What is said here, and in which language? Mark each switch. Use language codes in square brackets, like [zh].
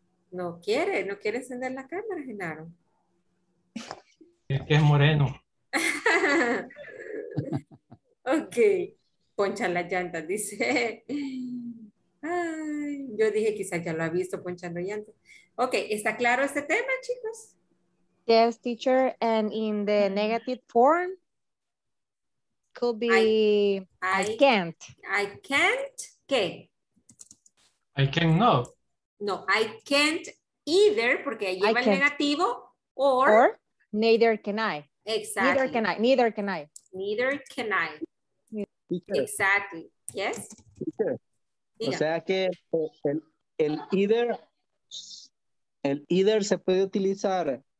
[es] No quiere encender la cámara, Genaro. Es que es moreno. Ok. Ponchan las llantas, dice. Ay, yo dije, quizás ya lo ha visto ponchando llantas. Ok, ¿está claro este tema, chicos? [en] Yes, teacher. And in the negative form, could be I can't. I can't, ¿qué? I cannot. No, I can't either, [es] porque lleva el negativo, [en] or neither can I. Exactly. Neither can I. Exactly. Yes. [es] Diga. O sea que el either se puede utilizar